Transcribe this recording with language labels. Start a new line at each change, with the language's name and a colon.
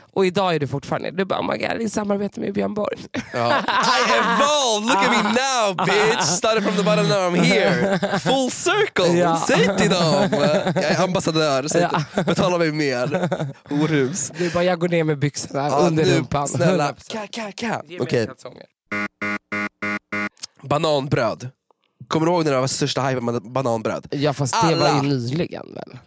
Swedish: Och idag är du fortfarande, du bara,
English: oh my god,
Swedish: i samarbete med Björn Borg.
English: Ja. I evolved, look at me now, bitch. Started from the bottom, now I'm here. Full circle,
Swedish: säg till dem. Jag är ambassadör, säg till. Betala mig mer. Orhus. Du bara, jag går ner med byxorna under rumpan. Snälla, ka. Okej. Bananbröd. Kommer du ihåg när det var största hype med bananbröd? Ja, fast det var ju nyligen väl.